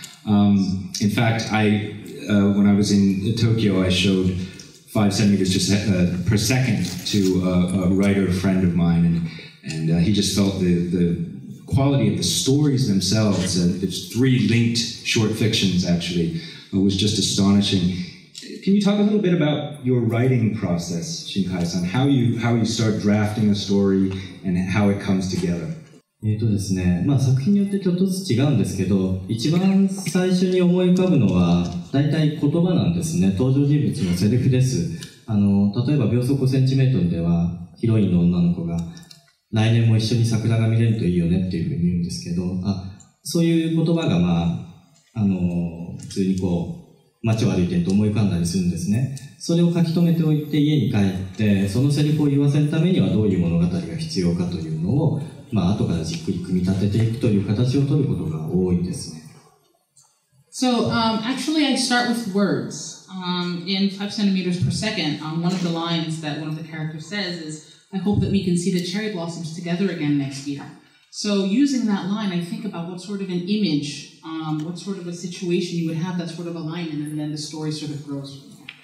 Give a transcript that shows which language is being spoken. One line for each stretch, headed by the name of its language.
English: In fact, when I was in Tokyo, I showed 5 centimeters per second to a writer friend of mine, and he just felt the quality of the stories themselves, it's three linked short fictions, actually. It was just astonishing. Can you talk a little bit about your writing process, Shinkai-san? How you start drafting a story and how it comes together?
Japanese: ですね、まあ作品によってちょっとずつ違うんですけど、一番最初に思い浮かぶのは、大体言葉なんですね。登場人物のセリフです。あの、例えば秒速5センチメートルでは、ヒロインの女の子が、来年も一緒に桜が見れるといいよねっていうふうに言うんですけど、あ、そういう言葉がまあ、あの、普通にこう街を歩いてると思い浮かんだりするんですね。それを書き留めておいて家に帰ってそのセリフを言わせるためにはどういう物語が必要かというのを、まあ、後からじっくり組み立てていくという形を取ることが多いんですね。
English: So, actually I start with words. In 5 centimeters per second, one of the lines that one of the characters says is, I hope that we can see the cherry blossoms together again next year. So using that line, I think about what sort of an image, what sort of a situation you would have that sort of a line, and then the story sort of grows from there.